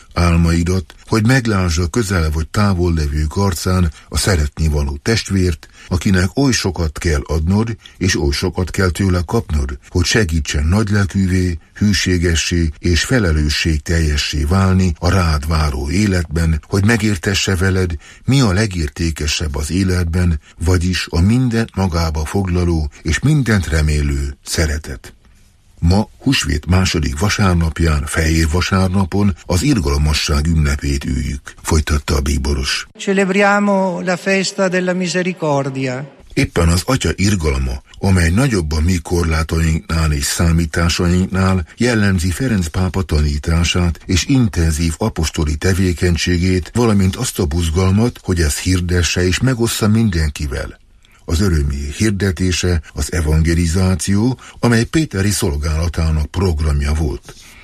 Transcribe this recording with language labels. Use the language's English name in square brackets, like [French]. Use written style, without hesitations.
[Hungarian] álmaidat, hogy meglássa közel vagy távol levő arcán a szeretni való testvért, akinek oly sokat kell adnod, és oly sokat kell tőle kapnod, hogy segítsen nagylelkűvé, hűségessé és felelősségteljessé válni a rád váró életben, hogy megértesse veled, mi a legértékesebb az életben, vagyis a mindent magába foglaló és mindent remélő szeretet. Ma, húsvét második vasárnapján, fehér vasárnapon az irgalmasság ünnepét üljük, folytatta a bíboros. [Italian] Celebriamo la festa della misericordia. [Hungarian] Éppen az atya irgalma, amely nagyobb a mi korlátainknál és számításainknál, jellemzi Ferenc pápa tanítását és intenzív apostoli tevékenységét, valamint azt a buzgalmat, hogy ez hirdesse és megossza mindenkivel. Az örömi hirdetése, az evangelizáció, amely Péteri szolgálatának programja volt.